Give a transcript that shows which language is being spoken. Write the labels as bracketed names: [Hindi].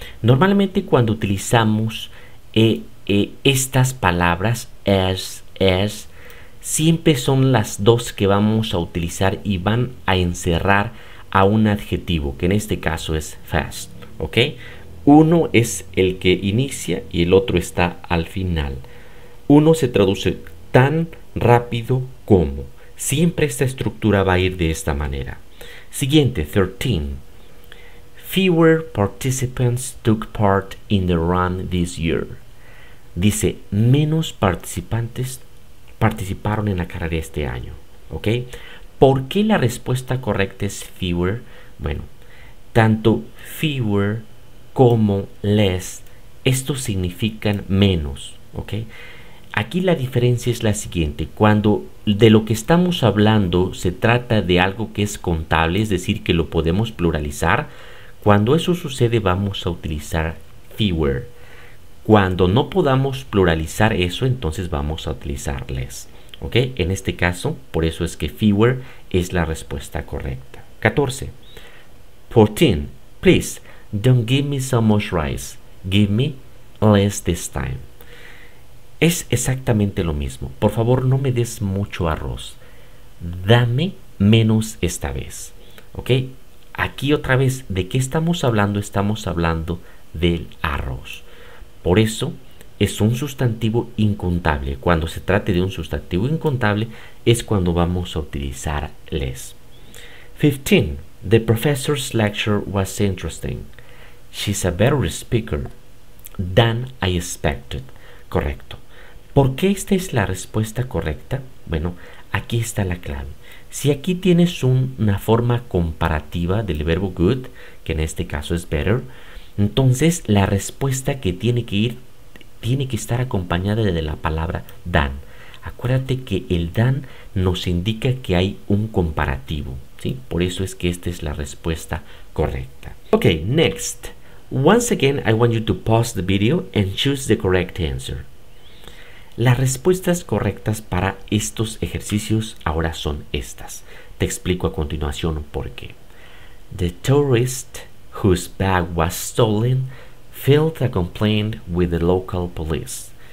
[Spanish] Normalmente cuando utilizamos estas palabras as siempre son las dos que vamos a utilizar y van a encerrar a un adjetivo, que en este caso es fast, ¿ok? Uno es el que inicia y el otro está al final. Uno se traduce tan rápido como. Siempre esta estructura va a ir de esta manera. Siguiente, 13. [English] Fewer participants took part in the run this year. [Spanish] Dice, menos participantes participaron en la carrera este año, ¿ok? ¿Por qué la respuesta correcta es fewer? Bueno, tanto fewer como less, estos significan menos, ¿ok? Aquí la diferencia es la siguiente: cuando de lo que estamos hablando se trata de algo que es contable, es decir, que lo podemos pluralizar, cuando eso sucede vamos a utilizar fewer. Cuando no podamos pluralizar eso, entonces vamos a utilizar less. ¿Ok? En este caso, por eso es que fewer es la respuesta correcta. 14. 14. [English] Please, Don't give me so much rice, give me less this time. [Spanish] Es exactamente lo mismo. Por favor, no me des mucho arroz. Dame menos esta vez. ¿Ok? Aquí otra vez, ¿de qué estamos hablando? Estamos hablando del arroz. Por eso es un sustantivo incontable. Cuando se trate de un sustantivo incontable, es cuando vamos a utilizar less. 15. [English] The professor's lecture was interesting. She's a better speaker than I expected. [Spanish] Correcto. ¿Por qué esta es la respuesta correcta? Bueno, aquí está la clave. Si aquí tienes una forma comparativa del verbo good, que en este caso es better, entonces la respuesta que tiene que ir tiene que estar acompañada de la palabra than. Acuérdate que el than nos indica que hay un comparativo, ¿sí? Por eso es que esta es la respuesta correcta. [English] Ok, next. Once again, I want you to pause the video and choose the correct answer. [Spanish] Las respuestas correctas para estos ejercicios ahora son estas. Te explico a continuación por qué. [English] The tourist whose bag was stolen filed a complaint with the local police.